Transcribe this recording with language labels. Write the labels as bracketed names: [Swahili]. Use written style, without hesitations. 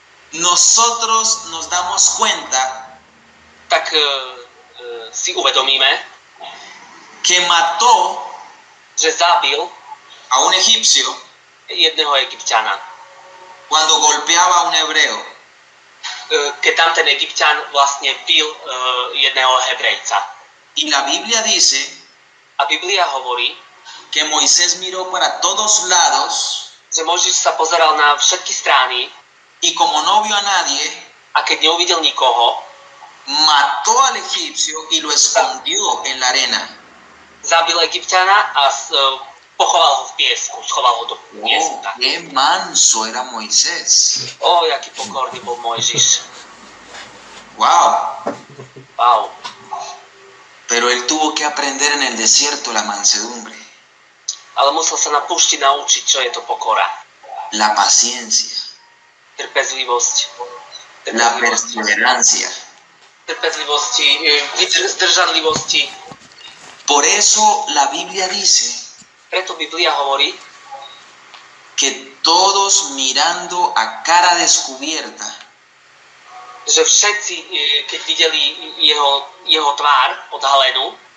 [Spanish] nosotros nos damos cuenta, [Slovak] tak si uvedomíme, [Spanish] que mató, [Slovak] že zabil [Spanish] a un egipcio, [Slovak] jedného egyptiana, [Spanish] cuando golpeaba a un hebreo, [Slovak] keď tamten egyptian vlastne bil jedného hebrejca. [Spanish] Y la Biblia dice, [Slovak] a Biblia hovorí, [Spanish] que Moisés miró para todos lados, [Slovak] že Mojžiš sa pozeral na všetky strany, [Spanish] y como no vio a nadie, [Slovak] a keď neuvidel nikoho, [Spanish] mató al egipcio y lo escondió en la arena. [Slovak] Zabil Egypťana a pochoval ho v piesku, schoval ho do pieska. [Spanish] Oh, qué manso era Moisés. [Slovak] Oh, jaký pokorný bol Mojžiš. Wow. Wow. [Spanish] Pero él tuvo que aprender en el desierto la mansedumbre. [Slovak] Ale musel sa na púšti naučiť, čo je to pokora. [Spanish] La paciencia. [Slovak] Trpezlivosť. [Spanish] La perseverancia. [Slovak] Trpezlivosti, zdržanlivosti. [Spanish] Por eso la Biblia dice, [Slovak] preto Biblia hovorí, [Spanish] que todos mirando a cara descubierta, [Slovak] že všetci, keď videli jeho tvár odhalenú,